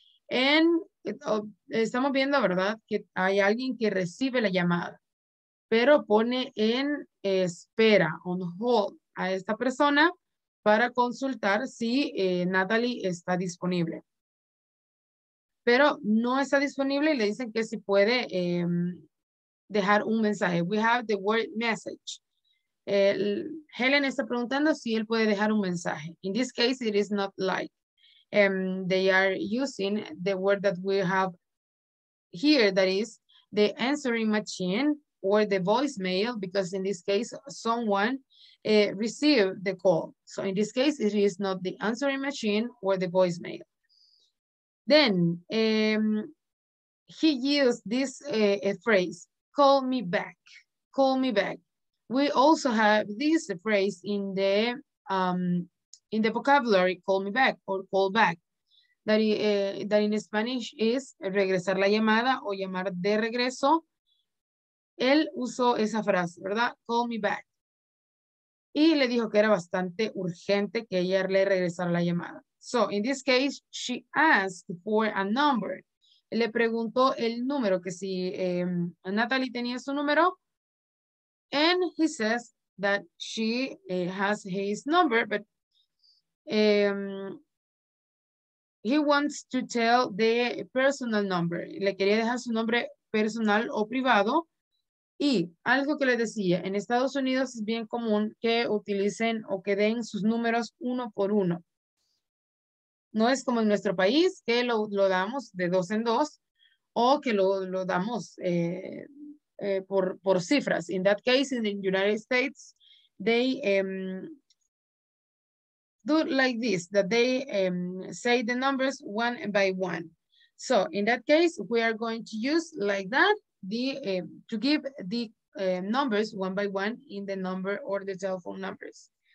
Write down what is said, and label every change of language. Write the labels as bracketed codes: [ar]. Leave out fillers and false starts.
[es] And estamos viendo, ¿verdad?, que hay alguien que recibe la llamada, pero pone en espera, on hold, a esta persona para consultar si Natalie está disponible. Pero no está disponible y le dicen que si puede dejar un mensaje. [en] We have the word message. [es] Helen está preguntando si él puede dejar un mensaje. [en] In this case, it is not like. They are using the word that we have here, that is the answering machine or the voicemail, because in this case, someone receive the call. So in this case, it is not the answering machine or the voicemail. Then he used this phrase, call me back, call me back. We also have this phrase in the vocabulary, call me back or call back. That in Spanish is [es] regresar la llamada o llamar de regreso. Él usó esa frase, ¿verdad? [en] Call me back. [es] Y le dijo que era bastante urgente que ella le regresara la llamada. [en] So, in this case, she asked for a number. [es] Le preguntó el número, que si Natalie tenía su número. [en] And he says that she has his number, but he wants to tell the personal number. [es] Le quería dejar su nombre personal o privado. Y algo que les decía, en Estados Unidos es bien común que utilicen o que den sus números uno por uno. No es como en nuestro país, que lo damos de dos en dos o que lo damos por cifras. [en] In that case, in the United States, they do like this, that they say the numbers one by one. So in that case, we are going to use like that, to give the numbers one by one in the number or the telephone numbers.